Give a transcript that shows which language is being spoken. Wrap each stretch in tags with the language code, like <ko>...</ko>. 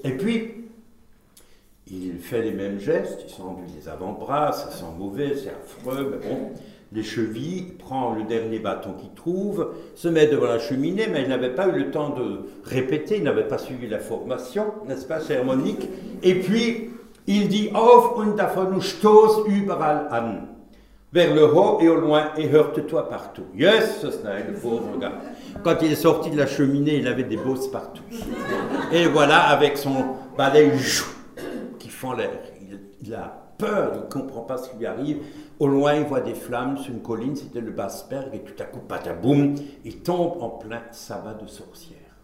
<fr>Et puis, il fait les mêmes gestes, il s'enduit les avant-bras, ça sent mauvais, c'est affreux, mais bon, les chevilles, il prend le dernier bâton qu'il trouve, se met devant la cheminée, mais il n'avait pas eu le temps de répéter, il n'avait pas suivi la formation, n'est-ce pas, chère Monique? Et puis, il dit</fr> <de>« Auf und davon stoß überall an !»</de> <fr>Vers le haut et au loin, et heurte-toi partout. Yes, ce n'est le pauvre gars. Quand il est sorti de la cheminée, il avait des bosses partout. Et voilà, avec son balai qui fend l'air. Il a peur, il ne comprend pas ce qui lui arrive. Au loin, il voit des flammes sur une colline, c'était le Basse-Berg, et tout à coup, pataboum, il tombe en plein sabbat de sorcières.</fr>